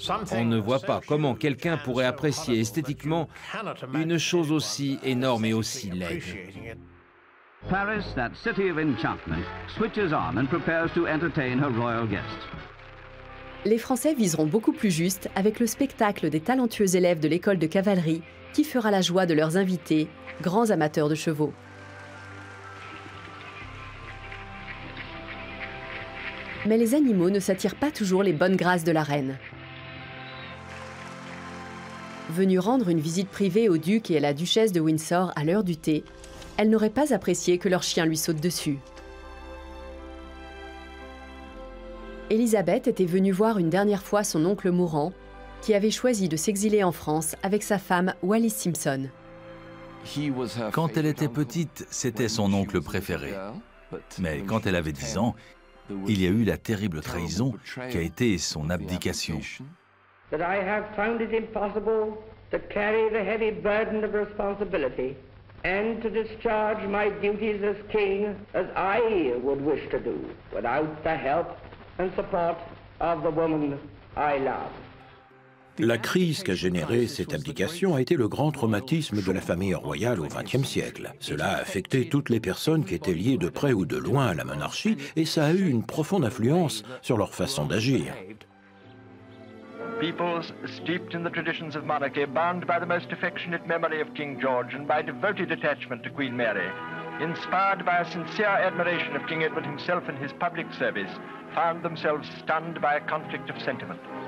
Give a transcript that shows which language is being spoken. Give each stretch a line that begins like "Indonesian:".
French: On ne voit pas comment quelqu'un pourrait apprécier esthétiquement une chose aussi énorme et aussi laide.
English: Paris, that city of enchantment, switches on and prepares to entertain her royal guests.
French: Les Français viseront beaucoup plus juste avec le spectacle des talentueux élèves de l'école de cavalerie qui fera la joie de leurs invités, grands amateurs de chevaux. Mais les animaux ne s'attirent pas toujours les bonnes grâces de la reine. Venue rendre une visite privée au duc et à la duchesse de Windsor à l'heure du thé, elle n'aurait pas apprécié que leur chien lui saute dessus. Élisabeth était venue voir une dernière fois son oncle mourant, qui avait choisi de s'exiler en France avec sa femme Wallis Simpson. Quand elle était petite, c'était son oncle préféré. Mais quand elle avait 10 ans, il y a eu la terrible trahison qui a été son abdication.
English: That I have found it impossible to carry the heavy burden of responsibility and to discharge my duties as king as I would wish to do without the help and support of the woman I love.
French: La crise qu'a générée cette abdication a été le grand traumatisme de la famille royale au XXe siècle. Cela a affecté toutes les personnes qui étaient liées de près ou de loin à la monarchie et ça a eu une profonde influence sur leur façon d'agir.
English: Peoples steeped in the traditions of monarchy, bound by the most affectionate memory of King George and by devoted attachment to Queen Mary, inspired by a sincere admiration of King Edward himself and his public service, found themselves stunned by a conflict of sentiment.